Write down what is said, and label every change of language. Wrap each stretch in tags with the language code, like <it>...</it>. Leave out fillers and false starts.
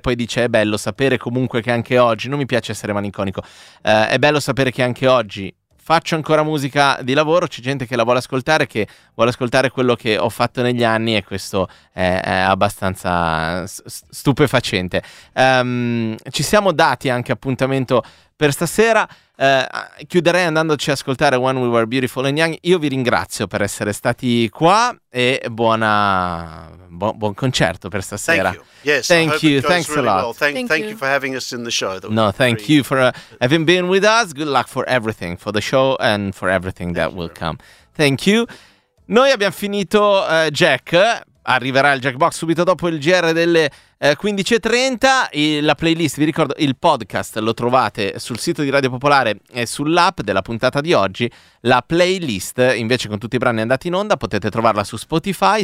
<it>Poi dice: è bello sapere comunque che anche oggi, non mi piace essere malinconico, è bello sapere che anche oggi faccio ancora musica di lavoro, c'è gente che la vuole ascoltare, che vuole ascoltare quello che ho fatto negli anni, e questo è abbastanza stupefacente. Ci siamo dati anche appuntamento per stasera, chiuderei andandoci a ascoltare When We Were Beautiful and Young. Io vi ringrazio per essere stati qua e buon concerto per stasera.</it> <en>Thank you. Yes, thank you. Thanks really a lot. Well. Thank you for having us in the show. No, thank you for having been with us. Good luck for everything, for the show and for everything thank that will very. Come. Thank you.</en> <it>Noi abbiamo finito Jack. Arriverà il Jackbox subito dopo il GR delle 15.30. La playlist, vi ricordo, il podcast lo trovate sul sito di Radio Popolare e sull'app della puntata di oggi. La playlist, invece, con tutti i brani andati in onda, potete trovarla su Spotify.</it>